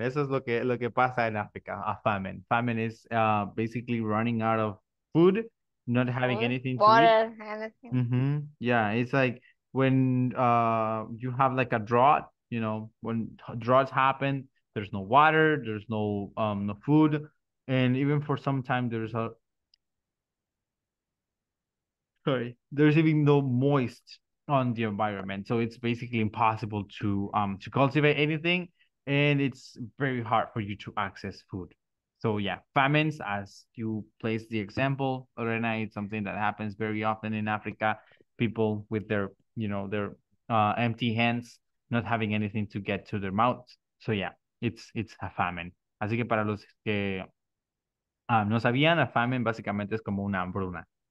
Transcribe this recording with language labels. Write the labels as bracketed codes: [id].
[es] Eso es lo que pasa en África, a famine. [en] Famine is basically running out of food, not having Food, anything to eat. water, anything. Yeah, it's like when you have like a drought, you know, when droughts happen, there's no water, there's no food, and even for some time there's a sorry, there's even no moist on the environment, so it's basically impossible to cultivate anything, and it's very hard for you to access food. So yeah, famines, as you place the example, Lorena, it's something that happens very often in Africa. People with their, you know, their empty hands, not having anything to get to their mouth. So yeah, it's a famine. [es] Así que para los que no sabían, a famine básicamente es como una hambruna.